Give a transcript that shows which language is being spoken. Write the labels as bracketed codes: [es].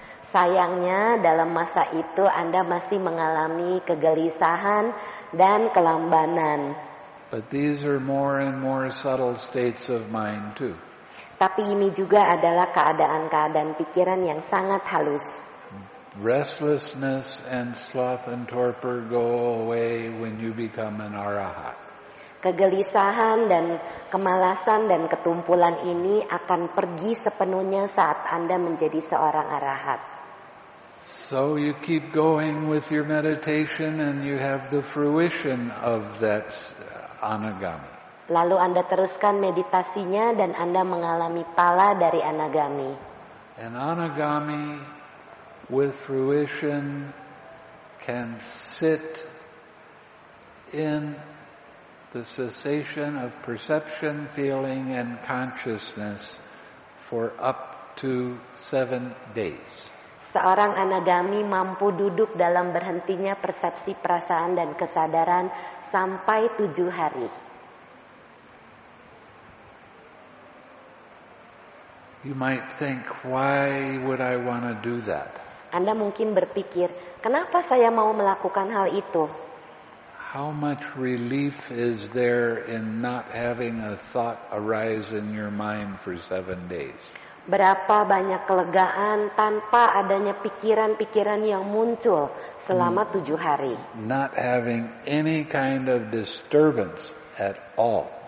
[id] Sayangnya, dalam masa itu Anda masih mengalami kegelisahan dan kelambanan. [en] But these are more and more subtle states of mind too. [id] Tapi ini juga adalah keadaan-keadaan pikiran yang sangat halus. [en] Restlessness and sloth and torpor go away when you become an arahat. [id] Kegelisahan dan kemalasan dan ketumpulan ini akan pergi sepenuhnya saat Anda menjadi seorang arahat. [en] So you keep going with your meditation and you have the fruition of that anagami. [id] Lalu Anda teruskan meditasinya dan Anda mengalami pala dari anagami. [en] An anagami with fruition can sit in the cessation of perception, feeling, and consciousness for up to 7 days. [id] Seorang anagami mampu duduk dalam berhentinya persepsi, perasaan, dan kesadaran sampai 7 hari. [en] You might think, why would I want to do that? [id] Anda mungkin berpikir, kenapa saya mau melakukan hal itu? [en] How much relief is there in not having a thought arise in your mind for 7 days? [id] Berapa banyak kelegaan tanpa adanya pikiran-pikiran yang muncul selama 7 hari? [en] Not having any kind of disturbance at all.